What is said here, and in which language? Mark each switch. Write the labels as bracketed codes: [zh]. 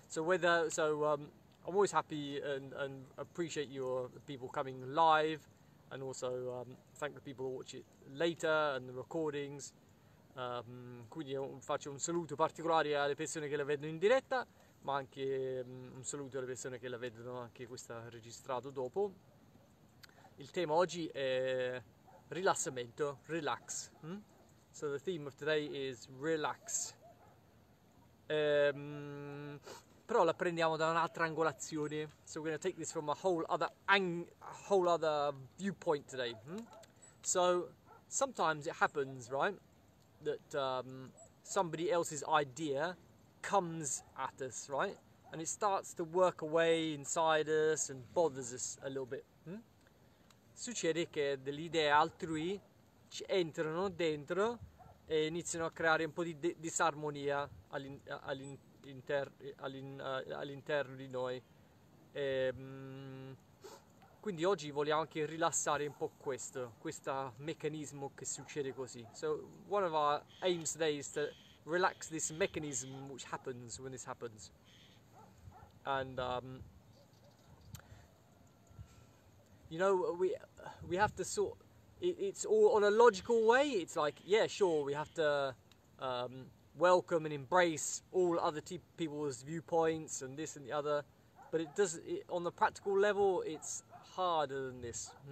[en] I'm always happy and appreciate your people coming live, and also thank the people who watch it later and the recordings. [it] Quindi faccio un saluto particolare alle persone che la vedono in diretta, ma anche un saluto alle persone che la vedono anche questa registrato dopo. Il tema oggi è rilassamento, relax. [en] So the theme of today is relax. [it] Però la prendiamo da un'altra angolazione. [en] So we're going to take this from a whole other viewpoint today. So sometimes it happens, right, that somebody else's idea comes at us, right, and it starts to work away inside us and bothers us a little bit. [it] Succede che delle idee altrui ci entrano dentro e iniziano a creare un po' di disarmonia all'interno di noi. Quindi oggi vogliamo anche rilassare un po' questo meccanismo che succede così. [en] So one of our aims today is to relax this mechanism which happens when this happens. And you know, we have to sort it, it's all on a logical way. It's like, yeah, sure, we have to welcome and embrace all other people's viewpoints and this and the other, but on the practical level it's harder than this.